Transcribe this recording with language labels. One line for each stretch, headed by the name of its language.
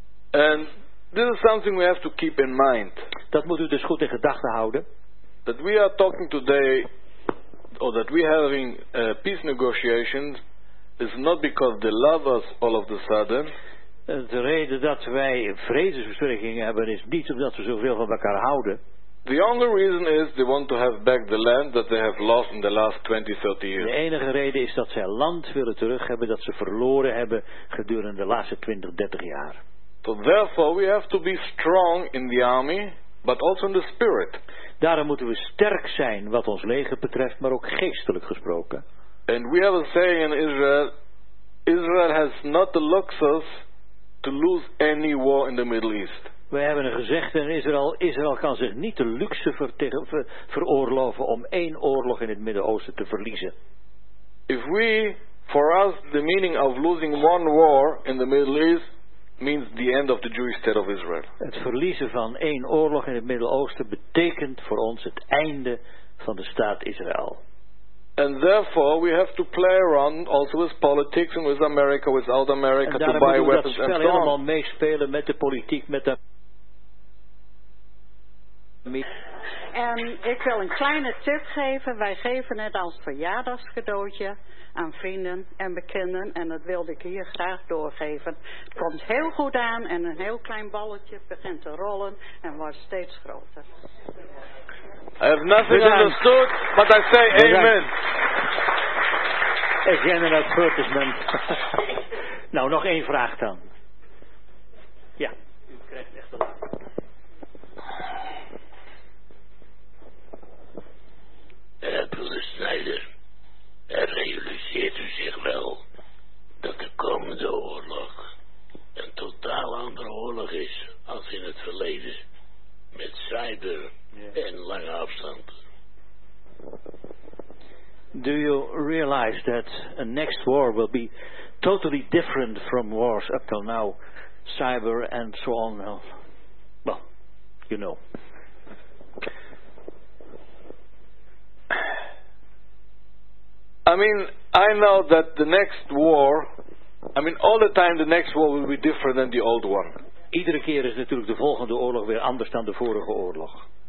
English: And this is something we have to keep in mind.
Dutch: Dat moeten we dus goed in gedachten houden.
English: That we are talking today, or that we are having peace negotiations, is not because they love us all of the sudden.
Dutch: De reden dat wij vredesbesprekingen hebben is niet omdat we zoveel van elkaar houden.
English: The only reason is they want to have back the land that they have lost in the last 20, 30 years.
Dutch: De enige reden is dat zij land willen terug hebben dat ze verloren hebben gedurende de laatste 20, 30 jaar.
English: So therefore we have to be strong in the army, but also in the spirit.
Dutch: Daarom moeten we sterk zijn wat ons leger betreft, maar ook geestelijk gesproken.
English: And we have a saying in Israel, Israel has not the luxus to lose any war in the Middle East.
Dutch: We hebben een gezegde in Israël, Israël kan zich niet de luxe veroorloven om één oorlog in het Midden-Oosten te verliezen.
English: If we, for us, the meaning of losing one war in the Middle East means the end of the Jewish state of Israel.
Dutch: Het verliezen van één oorlog in het Midden-Oosten betekent voor ons het einde van de staat Israël.
English: And therefore we have to play around also with politics and with America, without America, to buy weapons and so on.
Dutch: We moeten allemaal meespelen met de politiek, met de. Ik wil een kleine tip geven. Wij geven het als verjaardagscadeautje aan vrienden en bekenden. En dat wilde ik hier graag doorgeven. Het komt heel goed aan en een heel klein balletje begint te rollen en wordt steeds groter.
English: I have nothing understood, but I say amen.
Dutch: Ik ken het goed, dus men. Nou, nog één vraag dan. Ja. U krijgt echt een. Hebben we Snijder, en realiseert u zich wel dat de komende oorlog een totaal andere oorlog is als in het verleden met cyber en lange afstand?
English: Do you realize that a next war will be totally different from wars up till now, cyber and so on? Well, you know. I mean, I know that the next war, I mean, all the time the next war will be different than the old one.
Dutch: Iedere keer is natuurlijk de volgende oorlog weer anders dan de vorige oorlog.